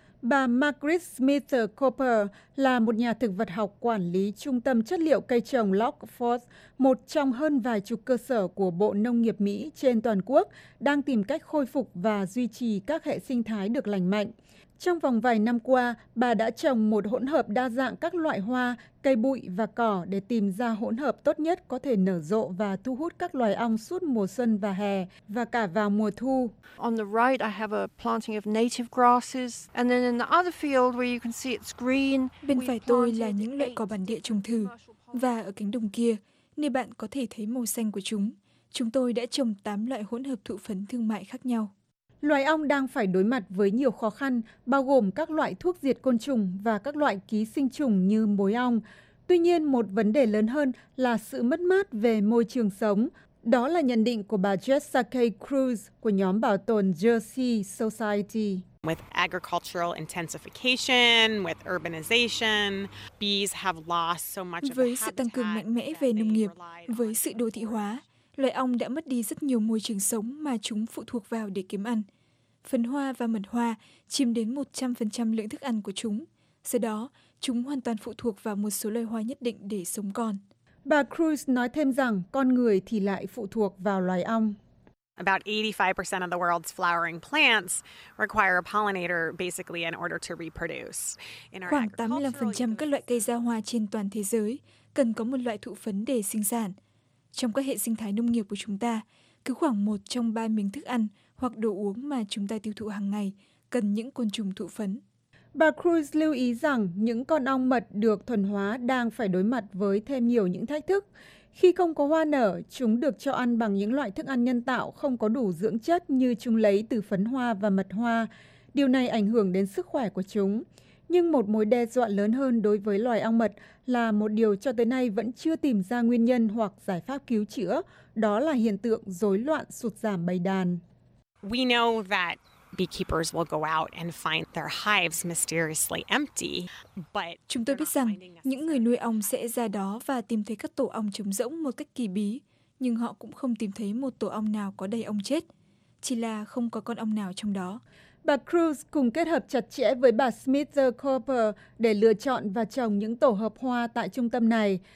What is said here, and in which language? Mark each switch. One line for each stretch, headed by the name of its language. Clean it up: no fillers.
Vietnamese: Bà Margaret Smith Cooper là một nhà thực vật học quản lý trung tâm chất liệu cây trồng Lockford, một trong hơn vài chục cơ sở của Bộ Nông nghiệp Mỹ trên toàn quốc, đang tìm cách khôi phục và duy trì các hệ sinh thái được lành mạnh. Trong vòng vài năm qua, bà đã trồng một hỗn hợp đa dạng các loại hoa, cây bụi và cỏ để tìm ra hỗn hợp tốt nhất có thể nở rộ và thu hút các loài ong suốt mùa xuân và hè và cả vào mùa thu.
English: On the right I have a planting of native grasses and then in the other field where you can see it's green.
Vietnamese: Bên phải tôi là những loại cỏ bản địa trồng thử và ở cánh đồng kia, nơi bạn có thể thấy màu xanh của chúng. Chúng tôi đã trồng 8 loại hỗn hợp thụ phấn thương mại khác nhau. Loài ong đang phải đối mặt với nhiều khó khăn, bao gồm các loại thuốc diệt côn trùng và các loại ký sinh trùng như mối ong. Tuy nhiên, một vấn đề lớn hơn là sự mất mát về môi trường sống. Đó là nhận định của bà Jessica Cruz của nhóm bảo tồn Jersey Society.
English: With agricultural intensification, with urbanization, bees have lost so much of their habitat.
Vietnamese: Với sự tăng cường mạnh mẽ về nông nghiệp, với sự đô thị hóa, loài ong đã mất đi rất nhiều môi trường sống mà chúng phụ thuộc vào để kiếm ăn. Phấn hoa và mật hoa chiếm đến 100% lượng thức ăn của chúng. Do đó, chúng hoàn toàn phụ thuộc vào một số loài hoa nhất định để sống còn. Bà Cruz nói thêm rằng con người thì lại phụ thuộc vào loài ong.
English: About 85% of the world's flowering plants require a pollinator basically in order to reproduce.
Vietnamese: Khoảng 85% các loại cây ra hoa trên toàn thế giới cần có một loại thụ phấn để sinh sản. Trong các hệ sinh thái nông nghiệp của chúng ta, cứ khoảng 1 trong 3 miếng thức ăn hoặc đồ uống mà chúng ta tiêu thụ hàng ngày cần những côn trùng thụ phấn. Bà Cruz lưu ý rằng những con ong mật được thuần hóa đang phải đối mặt với thêm nhiều những thách thức. Khi không có hoa nở, chúng được cho ăn bằng những loại thức ăn nhân tạo không có đủ dưỡng chất như chúng lấy từ phấn hoa và mật hoa. Điều này ảnh hưởng đến sức khỏe của chúng. Nhưng một mối đe dọa lớn hơn đối với loài ong mật là một điều cho tới nay vẫn chưa tìm ra nguyên nhân hoặc giải pháp cứu chữa, đó là hiện tượng rối loạn sụt giảm bầy đàn.
English: We know that beekeepers will go out and find their hives mysteriously empty. But
Vietnamese: chúng tôi biết rằng những người nuôi ong sẽ ra đó và tìm thấy các tổ ong trống rỗng một cách kỳ bí, nhưng họ cũng không tìm thấy một tổ ong nào có đầy ong chết, chỉ là không có con ong nào trong đó. Bà Cruz cùng kết hợp chặt chẽ với bà Smither-Cooper để lựa chọn và trồng những tổ hợp hoa tại trung tâm này.